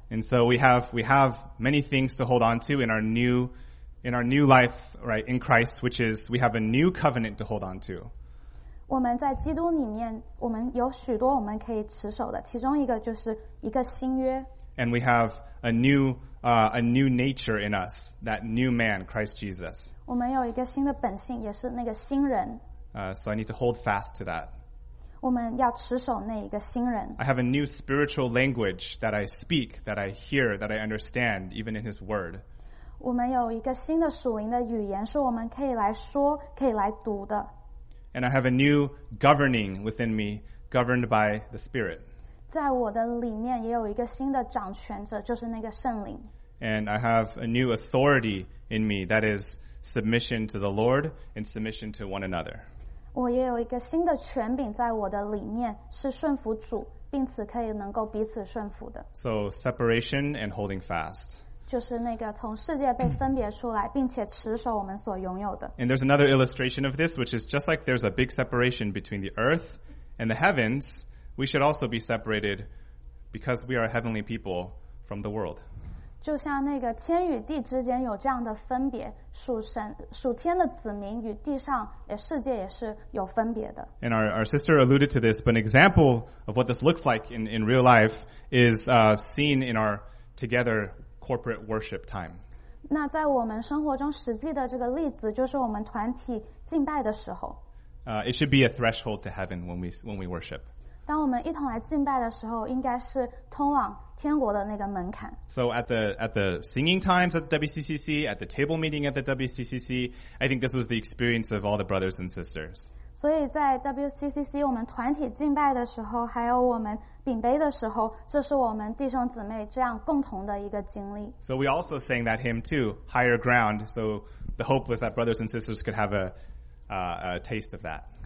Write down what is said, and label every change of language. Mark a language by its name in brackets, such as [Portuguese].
[English] And so we have many things to hold on to in our new life, right, in Christ, which is we have a new covenant to hold on to. [Chinese] 我们在基督里面，我们有许多我们可以持守的，其中一个就是一个新约。 [English] And we have a new nature in us, that new man, Christ Jesus. [Chinese] 我们有一个新的本性，也是那个新人。 [English] So I need to hold fast to that. [Chinese] 我们要持守那一个新人。 [English] I have a new spiritual language that I speak, that I hear, that I understand, even in His Word. [Chinese] 我们有一个新的属灵的语言，是我们可以来说、可以来读的。 [English] And I have a new governing within me, governed by the Spirit. [Chinese] 在我的里面也有一个新的掌权者，就是那个圣灵。 [English] And I have a new authority in me, that is submission to the Lord and submission to one another. [Chinese] 我也有一个新的权柄在我的里面，是顺服主，并且可以能够彼此顺服的。 [English] So separation and holding fast. [Chinese] 就是那个从世界被分别出来，并且持守我们所拥有的。 [English] And there's another illustration of this, which is just like there's a big separation between the earth and the heavens, we should also be separated because we are heavenly people from the world. [Chinese] 就像那个天与地之间有这样的分别，属神属天的子民与地上的世界也是有分别的。 [English] And our sister alluded to this, but an example of what this looks like in real life is seen in our together corporate worship time. [Chinese] 那在我们生活中实际的这个例子就是我们团体敬拜的时候。 [English] It should be a threshold to heaven when we worship. [Chinese] 当我们一同来敬拜的时候应该是通往天国的那个门槛。 [English] So at the singing times at the WCCC, at the table meeting at the WCCC, I think this was the experience of all the brothers and sisters. [Chinese] 所以在 WCCC 我们团体敬拜的时候还有我们饼杯的时候这是我们弟兄姊妹这样共同的一个经历。 [English] So we also sang that hymn too, Higher Ground. So the hope was that brothers and sisters could have a taste of that.